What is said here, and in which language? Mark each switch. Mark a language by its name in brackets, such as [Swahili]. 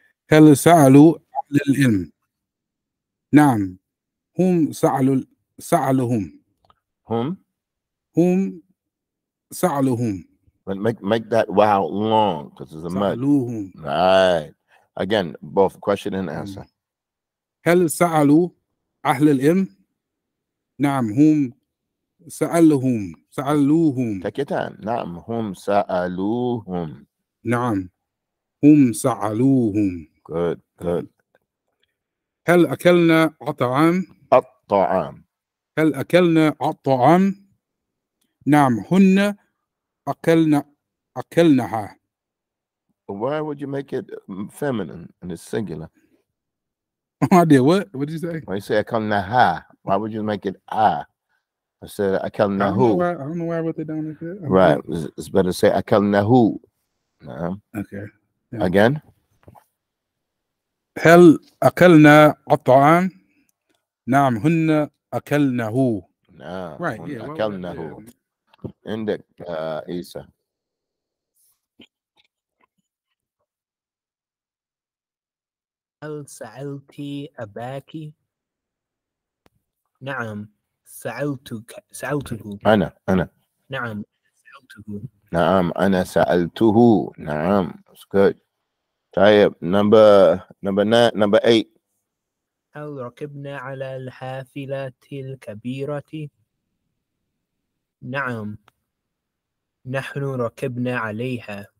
[Arabic] هل سألوا للعلم؟ نعم هم سألهم. هم سألهم. [English] Make that wow long because it's a mud. [Arabic] سألوهم. [English] Right. Again, both question and answer. [Arabic] هل سألوا أهل العلم؟ نعم هم سألهم. سألوهم. [English] Take your time. [Arabic] نعم هم سألوهم. نعم هم سألوهم. [English] Good, good. [Arabic] هل أكلنا الطعام؟ الطعام. هل أكلنا الطعام؟ نعم هن أكلناها. [English] Why would you make it feminine and it's singular? Oh, I did. What did you say? When you say akalnaha, why would you make it ah? I said akalnahu. I don't know why I wrote it down like that. Right. It's better to say akalnahu. No. Okay. Yeah. Again? [Arabic] Hal akalna at'am? Naam, hunna akalnahu. [English] Right. Yeah. [Arabic] Akalnahu. Indik, [English] Isa. [Arabic] هل سألت أباك؟ نعم سألته. أنا نعم سألته. نعم أنا سألته. نعم [English] it's good. [Arabic] طيب [English] number 8. [Arabic] هل ركبنا على الحافلة الكبيرة؟ نعم نحن ركبنا عليها.